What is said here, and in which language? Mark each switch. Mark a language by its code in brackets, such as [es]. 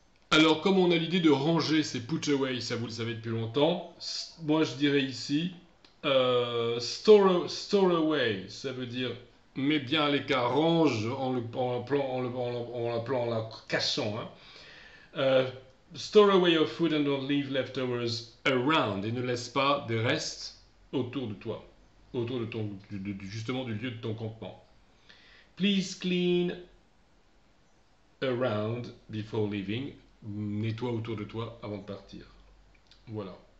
[fr] Alors comme on a l'idée de ranger, c'est put away, ça vous le savez depuis longtemps, moi je dirais ici, store away, ça veut dire mets bien à l'écart, range en le cachant, hein. [en] Store away your food and don't leave leftovers around. [fr] Et ne laisse pas des restes autour de toi, autour de ton, justement du lieu de ton campement. [en] Please clean around before leaving. [fr] Nettoie autour de toi avant de partir. Voilà.